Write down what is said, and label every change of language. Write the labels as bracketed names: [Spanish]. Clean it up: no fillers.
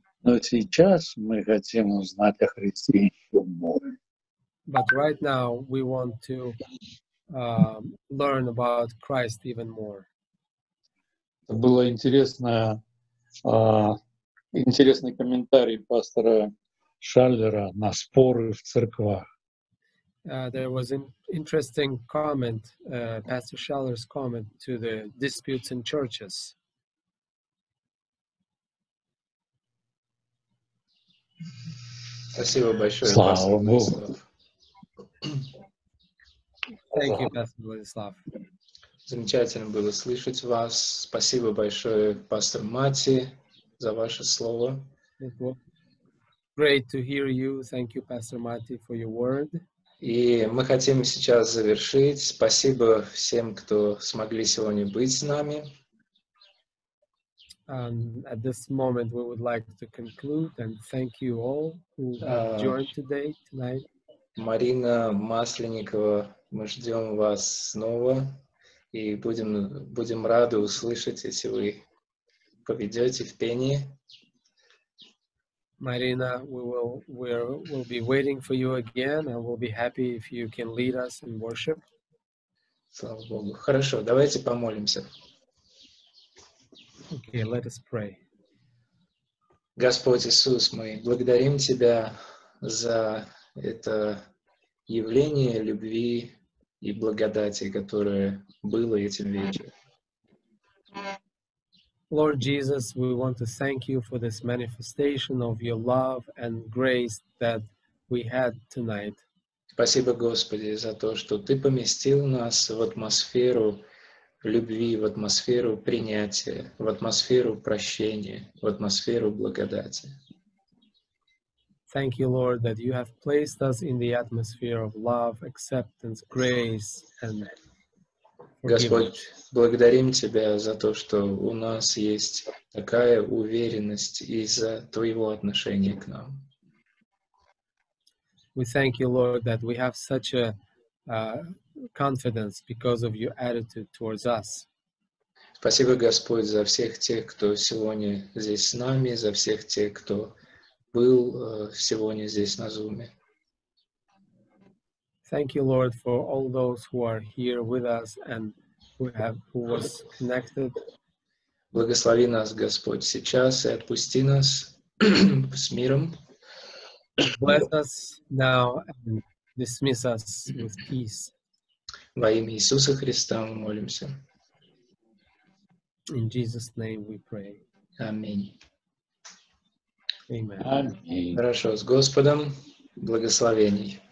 [Russian] Но сейчас мы хотим узнать о Христе еще больше. [English] But right now we want to learn about Christ even more. [Russian] Это было интересный комментарий пастора Шаллера на споры в церквах. [English] There was an interesting comment, Pastor Schaller's comment to the disputes in churches. [Russian] Спасибо большое. Слава Богу. [English] Thank you, Pastor Vladislav. [Russian] Замечательно было слышать вас. Спасибо большое, пастор Мати, за ваше слово. [English] Great to hear you. Thank you, Pastor Mati, for your word. [Russian] И мы хотим сейчас завершить. Спасибо всем, кто смогли сегодня быть с нами. [English] At this moment, we would like to conclude and thank you all who joined today, tonight. [Russian] Марина Масленникова, мы ждем вас снова и будем рады услышать, если вы поведете в пении. [English] Марина, we will be waiting for you again, and we'll be happy if you can lead us in worship. [Russian] Слава Богу. Хорошо, давайте помолимся. [English] Okay, let us pray. [Russian] Господь Иисус, мы благодарим Тебя за это явление любви и благодати, которое было этим вечером. [English] Lord Jesus, we want to thank you for this manifestation of your love and grace that we had tonight. [Russian] Спасибо, Господи, за то, что Ты поместил нас в атмосферу любви, в атмосферу принятия, в атмосферу прощения, в атмосферу благодати. [English] Thank you, Lord, that you have placed us in the atmosphere of love, acceptance, grace, and [Russian] Господь, благодарим Тебя за то, что у нас есть такая уверенность из-за Твоего отношения к нам. [English] We thank you, Lord, that we have such a confidence because of your attitude towards us. [Russian] Спасибо, Господь, за всех тех, кто сегодня здесь с нами, за всех тех, кто был сегодня здесь на Зуме. [English] Thank you, Lord, for all those who are here with us and who was connected. [Russian] Благослови нас, Господь, сейчас и отпусти нас с миром. [English] Bless us now and dismiss us with peace. [Russian] Во имя Иисуса Христа мы молимся. [English] In Jesus' name we pray. [Russian] Аминь. [English] Amen. [Russian] Аминь. Хорошо, с Господом благословений.